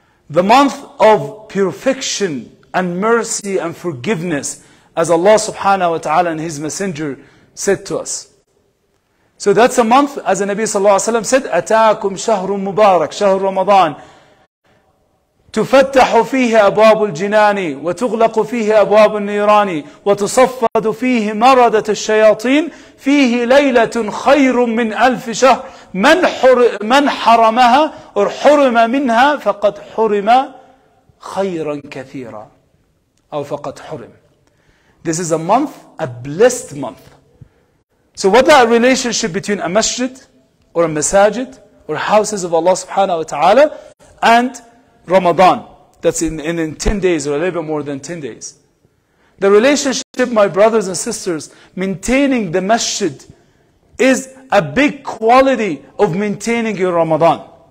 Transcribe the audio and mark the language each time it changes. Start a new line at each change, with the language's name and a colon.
English: The month of perfection and mercy and forgiveness, as Allah subhanahu wa ta'ala and His Messenger said to us. So that's a month, as the Nabi sallallahu alayhi wa sallam said,
Arabic: atakum shahrun mubarak, shahr Ramadan. تفتح فيه أبواب الجنان وتغلق فيه أبواب النيران وتصفد فيه مردة الشياطين فيه ليلة خير من ألف شهر من حرمها أو حرم منها فقد حرم خيرا كثيرا أو فقد حرم.
English: This is a month, a blessed month. So what that relationship between a masjid or a masajid or houses of Allah subhanahu wa ta'ala and Ramadan, that's in 10 days or a little bit more than 10 days. The relationship, my brothers and sisters, maintaining the masjid is a big quality of maintaining your Ramadan.